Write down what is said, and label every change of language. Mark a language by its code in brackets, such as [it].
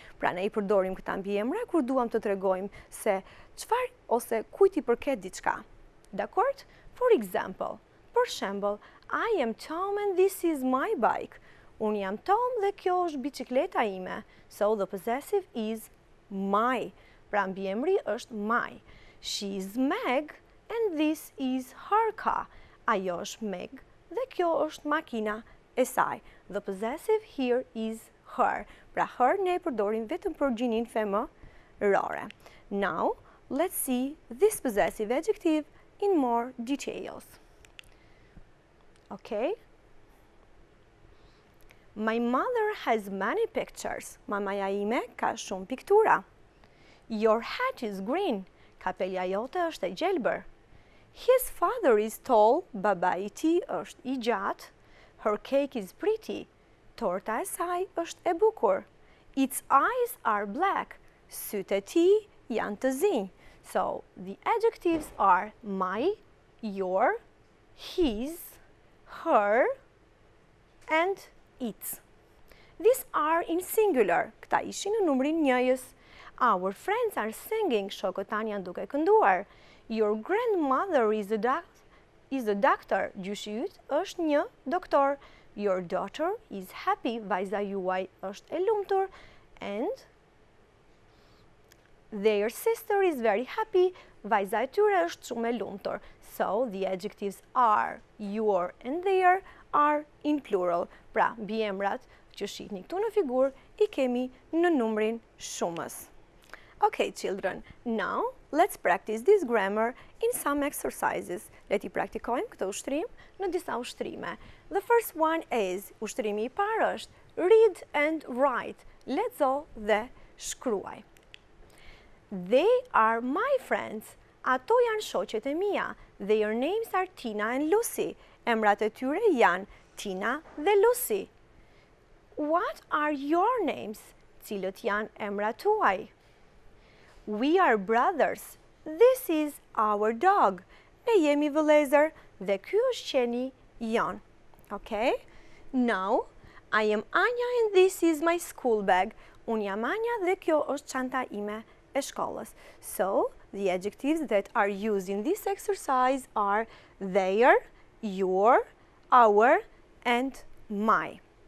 [sq] Pra ne i përdorim këta mbi emra kur duam të tregojmë se çfarë ose kujt i përket diçka. [fr] D'accord? [en] For example, [sq] për shembull, [en] I am Tom and this is my bike. [sq] Unë jam Tom dhe kjo është bicikleta ime. [en] So the possessive is my. [sq] Pra mbiemri është my. [en] She is Meg and this is her car. [sq] Ajo është Meg dhe kjo është makina e saj. [en] The possessive here is her. [sq] Pra her ne përdorim vetëm për gjinin femërore. [en] Now, let's see this possessive adjective in more details. Okay? My mother has many pictures. [sq] Mamaja ime ka shumë piktura. [en] Your hat is green. [sq] Kapelja jote është e gjelbër. [en] His father is tall. [sq] Baba i ti është i gjatë. [en] Her cake is pretty. [sq] Torta e saj është e bukur. [en] Its eyes are black. [sq] Sytë e ti janë të zi. [en] So, the adjectives are my, your, his, her, and its. These are in singular. [sq] Këta ishin në numrin njëjës. [en] Our friends are singing. [sq] Shokët tani janë duke kënduar. [en] Your grandmother is a doctor. [sq] Gjyshi yt është një doktor. [en] Your daughter is happy. [sq] Vajza juaj është e lumtur. [en] And their sister is very happy. [sq] Vajza e tyre është shumë e lumtur. [en] So the adjectives are your and their are in plural. [sq] Pra, mbiemrat që shihni këtu në figurë i kemi në numrin shumës. [en] Okay, children, now let's practice this grammar in some exercises. [sq] Leti praktikojmë këtë ushtrim në disa ushtrime. [en] The first one is, [sq] ushtrimi i parë është [en] read and write. [sq] Lexo dhe shkruaj. [en] They are my friends. [sq] Ato janë shoqet e mia. [en] Their names are Tina and Lucy. [sq] Emrat e tyre janë Tina dhe Lucy. [en] What are your names? [sq] Cilët janë emrat tuaj? [en] We are brothers. This is our dog. [sq] Ne jemi vëllezër dhe ky është qeni jon. [en] Okay? Now, I am Anya and this is my school bag. [sq] Unë jam Anya dhe kjo është çanta ime e shkollës. [en] So, the adjectives that are used in this exercise are their, your, our, and my.